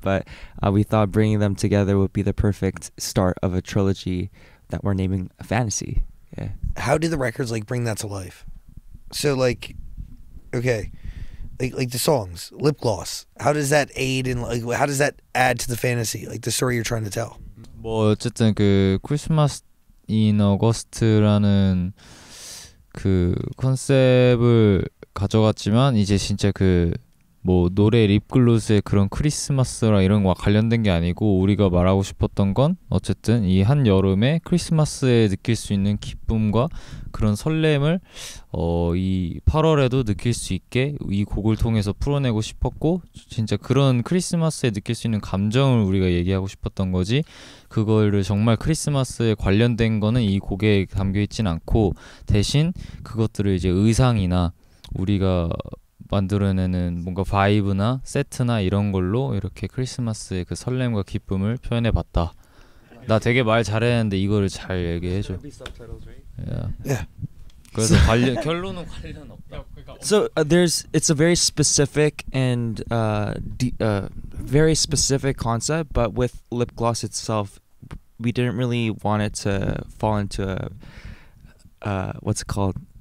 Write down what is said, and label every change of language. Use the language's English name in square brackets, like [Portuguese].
[English] But we thought bringing them together would be the perfect start of a trilogy that we're naming a fantasy. Yeah. How did the records like bring that to life? So like, okay, like the songs, lip gloss, how does that aid in, like, how does that add to the fantasy, like the story you're trying to tell? [Korean] 뭐 어쨌든 그 Christmas in August라는 그 컨셉을 가져갔지만 이제 진짜 그 뭐 노래 립글로스의 그런 크리스마스라 이런 거와 관련된 게 아니고 우리가 말하고 싶었던 건 어쨌든 이 한 여름에 크리스마스에 느낄 수 있는 기쁨과 그런 설렘을 이 8월에도 느낄 수 있게 이 곡을 통해서 풀어내고 싶었고 진짜 그런 크리스마스에 느낄 수 있는 감정을 우리가 얘기하고 싶었던 거지 그거를 정말 크리스마스에 관련된 거는 이 곡에 담겨 있진 않고 대신 그것들을 이제 의상이나 우리가 만들어내는 뭔가 바이브나 세트나 이런 걸로 이렇게 크리스마스의 그 설렘과 기쁨을 표현해 봤다. 나 되게 말 잘했는데 이거를 잘 얘기해 줘. [English] Yeah. Yeah. [Korean] 그래서 관련 결론은 관련 없다. [English] So it's a very specific and very specific concept, but with lip gloss itself, we didn't really want it to fall into a what's it called?